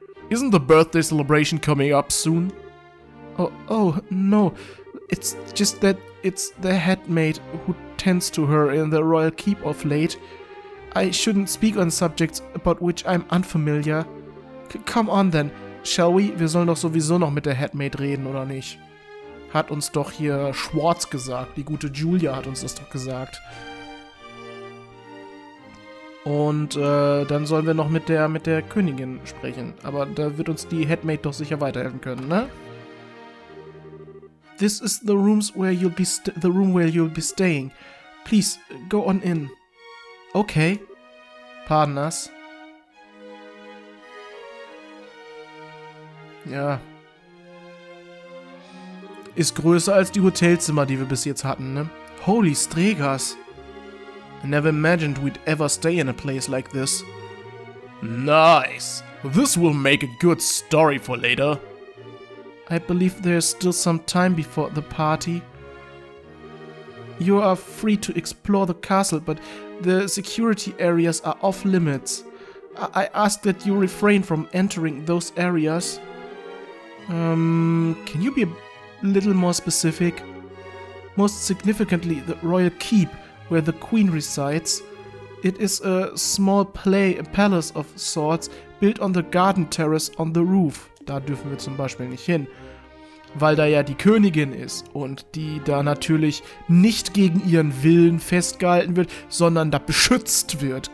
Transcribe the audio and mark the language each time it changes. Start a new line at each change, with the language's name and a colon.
English: Isn't the birthday celebration coming up soon? Oh, no. It's just that it's the handmaid who tends to her in the royal keep of late. I shouldn't speak on subjects about which I'm unfamiliar. Come on then, shall we?
German: Wir sollen doch sowieso noch mit der Headmaid reden, oder nicht? Hat uns doch hier Schwartz gesagt. Die gute Julia hat uns das doch gesagt. Und dann sollen wir noch mit der Königin sprechen. Aber da wird uns die Headmaid doch sicher weiterhelfen können, ne?
English: This is the rooms where you'll be the room where you'll be staying. Please, go on in. Okay. Pardon us.
German: Ja. Ist größer als die Hotelzimmer, die wir bis jetzt hatten, ne?
English: Holy Stregas. I never imagined we'd ever stay in a place like this. Nice. This will make a good story for later. I believe there's still some time before the party. You are free to explore the castle, but the security areas are off-limits. I ask that you refrain from entering those areas. Can you be a little more specific? Most significantly, the royal keep, where the queen resides. It is a small palace of sorts, built on the garden terrace on the roof.
German: Da dürfen wir zum Beispiel nicht hin. Weil da ja die Königin ist und die da natürlich nicht gegen ihren Willen festgehalten wird, sondern da beschützt wird.